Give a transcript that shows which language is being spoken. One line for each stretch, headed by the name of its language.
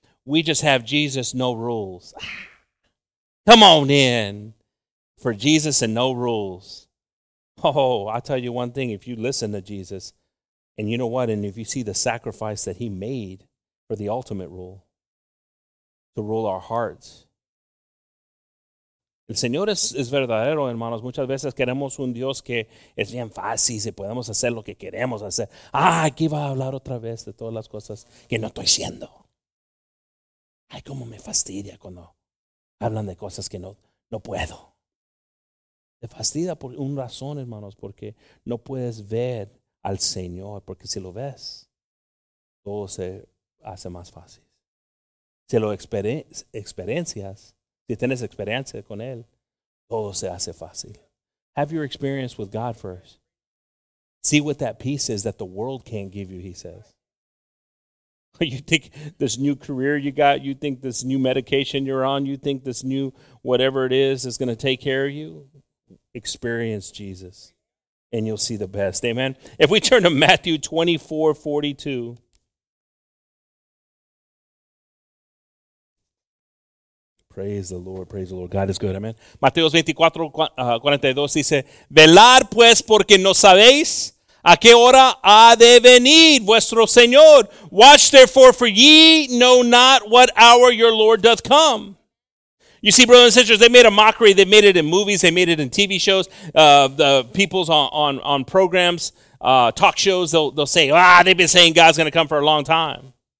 English: We just have Jesus, no rules. Come on in for Jesus and no rules. Oh, I'll tell you one thing. If you listen to Jesus, and you know what, and if you see the sacrifice that he made for the ultimate rule, to rule our hearts.
Spanish: El Señor es verdadero, hermanos. Muchas veces queremos un Dios que es bien fácil, si podemos hacer lo que queremos hacer. Ah, aquí va a hablar otra vez de todas las cosas que no estoy siendo. Ay, cómo me fastidia cuando hablan de cosas que no puedo. Te fastidia por una razón, hermanos, porque no puedes ver al Señor, porque si lo ves, todo se hace más fácil. Si lo experiencias, si tienes experiencia con él, todo se hace fácil.
English: Have your experience with God first. See what that peace is that the world can't give you, he says. You think this new career you got, you think this new medication you're on, you think this new whatever it is going to take care of you? Experience Jesus, and you'll see the best. Amen? If we turn to Matthew 24:42. Praise the Lord, praise the Lord. God is good, amen.
Spanish: Mateo 24:42 dice, velad pues porque no sabéis a qué hora ha de venir vuestro Señor.
English: Watch therefore, for ye know not what hour your Lord doth come. You see, brothers and sisters, they made a mockery. They made it in movies. They made it in TV shows. The people's on programs, talk shows, they'll say, they've been saying God's going to come for a long time.